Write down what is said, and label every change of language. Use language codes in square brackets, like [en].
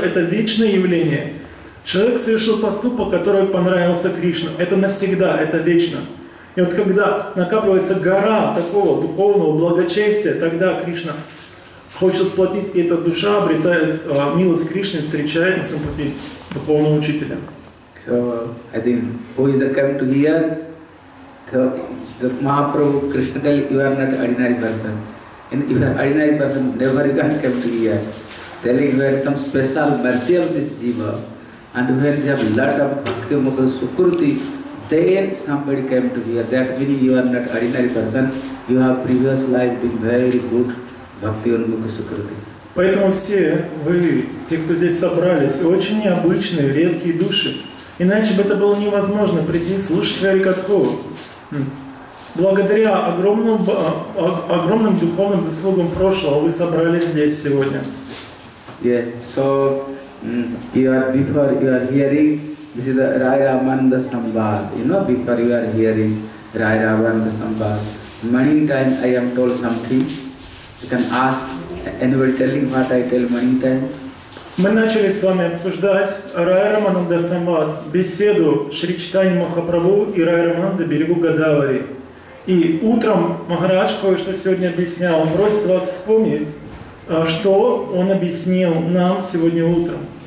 [ru] Это вечное явление. Человек совершил поступок, который понравился Кришне. Это навсегда, это вечно. И вот когда накапливается гора такого духовного благочестия, тогда Кришна хочет платить, и эта душа обретает милость Кришны, встречает на своем пути духовного учителя. [en] So, I think, who is the come to here? So, Mahaprabhu, Krishna tell you are not ordinary person. And if you are ordinary person, never you can come to here. Telling you are some special mercy of this jiva. And when you have a lot of bhakti mukha sukruti, then somebody came to here. That means you are not ordinary person. You have previous life been very good bhakti mukha sukruti. [ru] Поэтому все вы, те, кто здесь собрались, очень необычные, редкие души. Иначе бы это было невозможно прийти и слушать Харикатху. Благодаря огромным духовным заслугам прошлого вы собрались здесь сегодня. [en] Yeah, so you are before you are hearing This is the Rai Ramananda Sambhad. You know, before you are hearing Rai Ramananda Sambhad, many times I am told something. You can ask anybody telling what I tell many times. [ru] Мы начали с вами обсуждать Рай Рамананда Самбад, беседу Шри Чайтаньи Махапрабху и Рай Рамананды берегу Годавари. И утром Махарадж кое-что сегодня объяснял. Он просит вас вспомнить, что он объяснил нам сегодня утром.